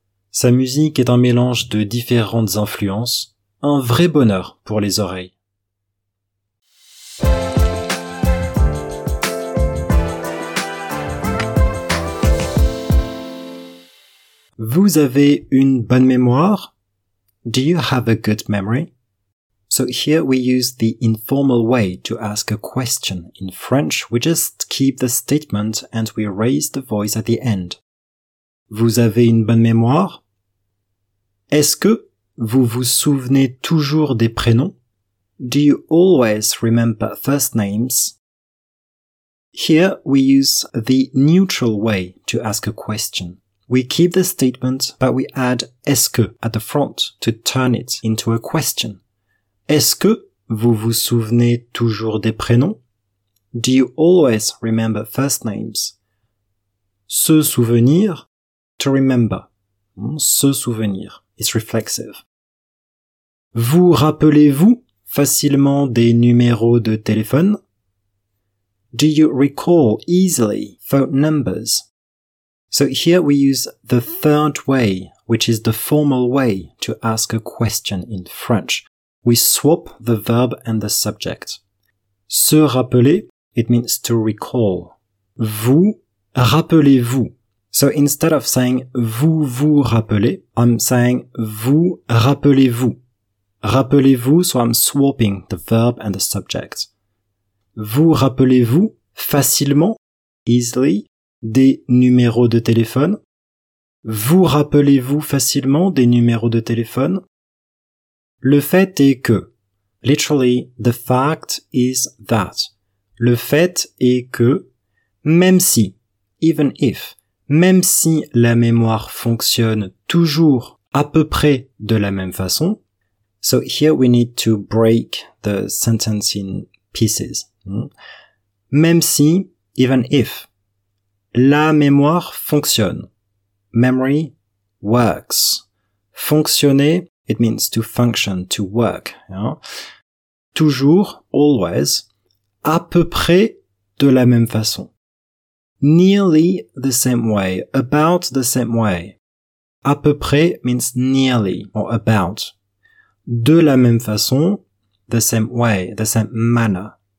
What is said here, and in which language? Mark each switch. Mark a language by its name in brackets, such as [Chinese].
[French] Sa musique est un mélange de différentes influences, un vrai bonheur pour les oreilles. Vous avez une bonne mémoire? [English] Do you have a good memory? So here we use the informal way to ask a question. In French, we just keep the statement and we raise the voice at the end. [French] Vous avez une bonne mémoire? Est-ce que vous vous souvenez toujours des prénoms? [English] Do you always remember first names? Here we use the neutral way to ask a question. We keep the statement, but we add est-ce que at the front to turn it into a question. [French] Est-ce que vous vous souvenez toujours des prénoms? [English] Do you always remember first names? [French] Se souvenir, [English] to remember. [French] Se souvenir, [English] it's reflexive. [French] Vous rappelez-vous facilement des numéros de téléphone? [English] Do you recall easily phone numbers? So here we use the third way, which is the formal way to ask a question in French. We swap the verb and the subject. [French] Se rappeler, [English] it means to recall. [French] Vous rappelez-vous. [English] So instead of saying [French] vous vous rappelez, [English] I'm saying [French] vous rappelez-vous. Rappelez-vous, [English] so I'm swapping the verb and the subject. [French] Vous rappelez-vous facilement, [English] easily, [French] des numéros de téléphone? Vous rappelez-vous facilement des numéros de téléphone? Le fait est que, [English] literally, the fact is that, [French] le fait est que, même si, [English] even if, [French] même si la mémoire fonctionne toujours à peu près de la même façon, [English] so here we need to break the sentence in pieces, [French] même si, [English] even if, [French] la mémoire fonctionne, [English] memory works, [French] fonctionner, [English] it means to function, to work. [French] Hein? Toujours, [English] always, [French] à peu près de la même façon. [English] Nearly the same way, about the same way. [French] À peu près [English] means nearly or about. [French] De la même façon, [English] the same way, the same manner.